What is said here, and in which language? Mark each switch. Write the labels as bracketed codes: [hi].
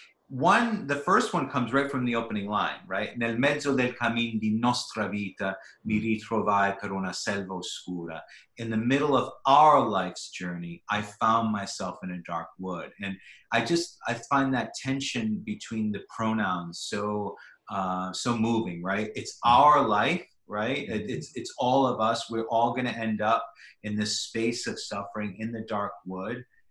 [en] One, the first one comes right from the opening line, right? [it] Nel mezzo del cammin di nostra vita mi ritrovai per una selva oscura. [en] In the middle of our life's journey, I found myself in a dark wood. And I find that tension between the pronouns so moving, right? It's our life, right? It's all of us. We're all going to end up in this space of suffering in the dark wood.